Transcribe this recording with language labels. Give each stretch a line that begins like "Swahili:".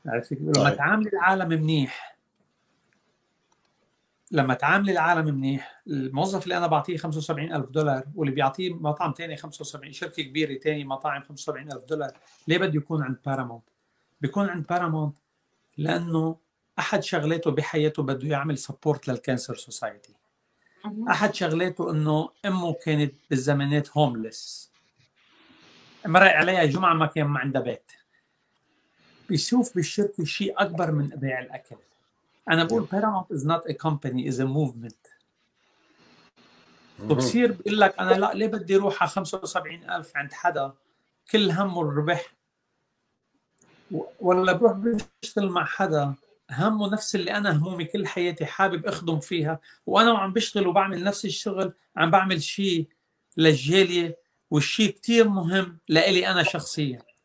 Arabic: لما تعامل العالم منيح، لما تعامل العالم منيح الموظف اللي أنا بعطيه 75,000 دولار واللي بيعطيه مطعم تاني 75 شركة كبيرة تاني مطاعم 75,000 دولار، ليه بده يكون عند بارامونت؟ بيكون عند بارامونت لأنه أحد شغلاته بحياته بده يعمل سبورت للكانسر سوسايتي، أحد شغلاته أنه أمه كانت بالزمانات هوملس مرق عليها جمعة ما كان عندها بيت، بيشوف بالشركة شيء أكبر من بيع الأكل. أنا بقول
English: Paramount is not a company, is a movement.
Arabic: وبصير بقول لك أنا لا ليه بدي روح على 75,000 عند حدا كل همه الربح، ولا بروح بشتغل مع حدا همه نفس اللي أنا همومي كل حياتي حابب أخدم فيها، وأنا وعم بشتغل وبعمل نفس الشغل عم بعمل شيء للجالية والشيء كتير مهم لإلي أنا شخصيا.